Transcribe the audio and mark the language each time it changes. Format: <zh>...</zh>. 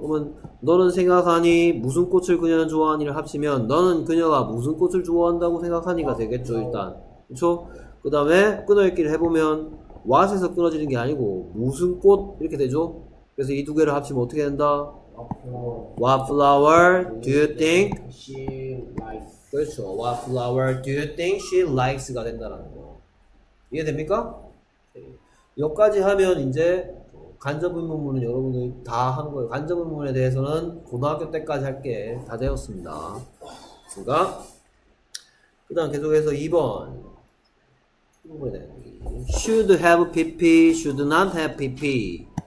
<ko>그러면 너는 생각하니 무슨 꽃을 그녀는 좋아하니를 합치면 너는 그녀가 무슨 꽃을 좋아한다고 생각하니가 되겠죠, 일단, 그렇죠? 그 다음에 끊어읽기를 해보면 what에서 끊어지는 게 아니고 무슨 꽃 이렇게 되죠? 그래서 이두 개를 합치면 어떻게 된다?</ko> <en>What flower do you think? she likes.</en> <ko>그렇죠.</ko> <en>What flower do you think she likes가</en> <ko>된다라는 거. 이해됩니까? 여기까지 하면 이제 간접의문문은 여러분들이 다한 거예요. 간접의문문에 대해서는 고등학교 때까지 할게 다 되었습니다. 제가 그다음 계속해서 2번. 2번에 대한 얘기.</ko> <en>Should have PP, should not have PP.</en>